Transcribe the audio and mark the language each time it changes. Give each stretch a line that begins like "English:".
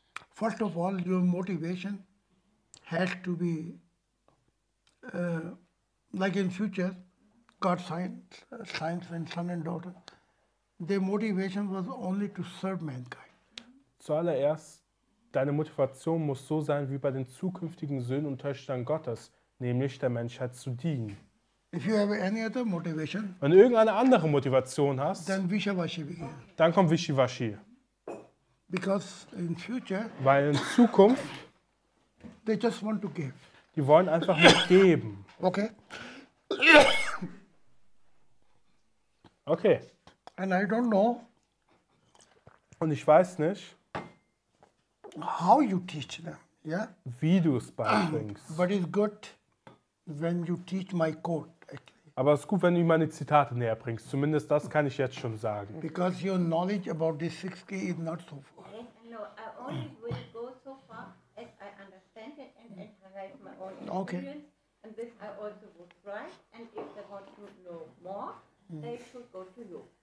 English: First of all, your motivation has to be, like in future, God, science and son and daughter, their motivation was only to serve mankind.
German: Zuallererst, deine Motivation muss so sein wie bei den zukünftigen Söhnen und Töchtern Gottes, nämlich der Menschheit zu dienen.
English: If you have any other motivation,
German: wenn du irgendeine andere Motivation hast,
English: then wishy-washy begin.
German: Dann kommt Wischiwaschi.
English: Because in future,
German: weil in Zukunft,
English: they just want to give.
German: Die wollen einfach nur geben. Okay. Okay.
English: And I don't know.
German: Und ich weiß nicht,
English: how you teach them, yeah?
German: Wie du es beibringst.
English: But it's good when you teach my quote.
German: Aber es ist gut, wenn du meine Zitate näher bringst. Zumindest das kann ich jetzt schon sagen.
English: Because your knowledge about this 6K is not so far. Yes, no, I only will go so far as I understand it and I have my own experience. Okay. And this I also would write. And if they want to know more, they should go to you.